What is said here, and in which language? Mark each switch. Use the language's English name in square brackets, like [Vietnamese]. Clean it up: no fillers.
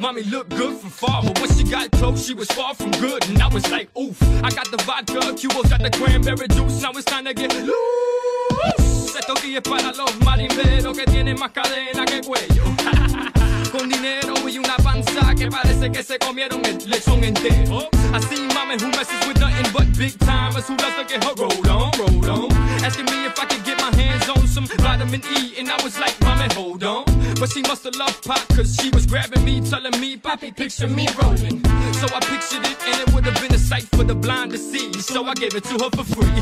[English] Look good from far, but when she got close, she was far from good, and I was like, oof. I got the vodka, Cubos got the cranberry juice. Now it's time to get loose. [Spanish] Esto aquí es para los marimberos que tienen más cadena que cuello. Con dinero y una panza que parece que se comieron el lechón entero. [English] I see mama who messes with nothing but big timers who loves to get her roll on, roll on. Asking me if I could get my hands on some vitamin E, and I was like, mama, hold on. But she must have loved pot, cause she was grabbing me, telling me, Poppy, picture me rolling. So I pictured it, and it would have been a sight for the blind to see. So I gave it to her for free.